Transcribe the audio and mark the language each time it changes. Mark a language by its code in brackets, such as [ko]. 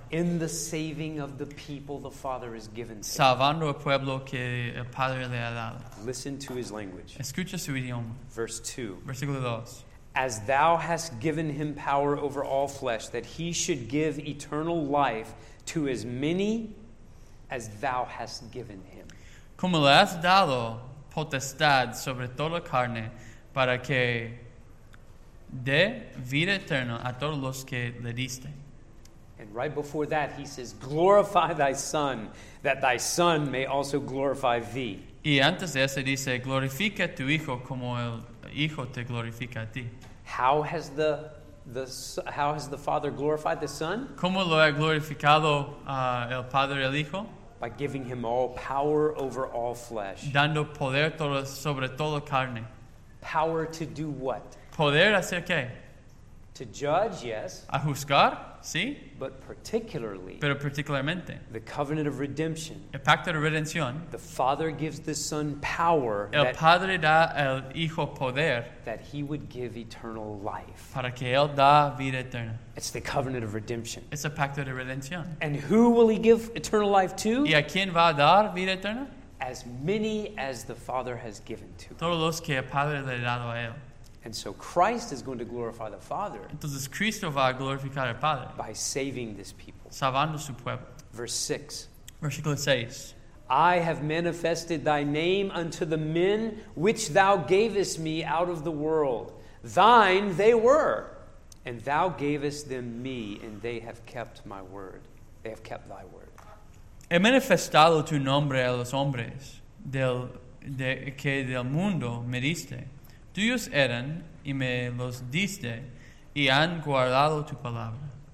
[en] In the saving of the people the Father has given to. [es] Salvando al pueblo que el Padre le ha dado. [en] Listen to his language. [es] Escucha su idioma. [en] Verse 2. [es] Versículo 2. [en] As thou hast given him power over all flesh, that he should give eternal life to as many as thou hast given him. [es] Como le has dado potestad sobre toda carne para que dé vida eterna a todos los que le diste. [en] And right before that he says, glorify thy son, that thy son may also glorify thee. [es] Y antes de eso dice, glorifica tu hijo como el hijo te glorifica a ti. [en] How has the father glorified the son? [es] Como lo ha glorificado el padre el hijo? [en] By giving him all power over all flesh. [es] Dando poder todo, sobre todo carne. [en] Power to do what? [es] Poder hacer qué? [en] To judge, yes. [es] A juzgar, sí. [en] But particularly. [es] Pero particularmente. [en] The covenant of redemption. [es] El pacto de redención. [en] The Father gives the Son power. [es] El Padre da al Hijo poder. [en] That he would give eternal life. [es] Para que él da vida eterna. [en] It's the covenant of redemption. [es] Es el pacto de redención. [en] And who will he give eternal life to? [es] ¿Y a quién va a dar vida eterna? [en] As many as the Father has given to. [es] Todos los que el Padre le ha dado a él. [en] And so Christ is going to glorify the Father. [es] Entonces Cristo va a glorificar al Padre. [en] By saving this people. [es] Salvando su pueblo. [en] Verse 6. [es] Versículo 6. [en] I have manifested thy name unto the men which thou gavest me out of the world. Thine they were, and thou gavest them me, and they have kept my word. They have kept thy word. [es] He manifestado tu nombre a los hombres que del mundo me diste. Tuyos eran, y me los diste, y han guardado tu palabra.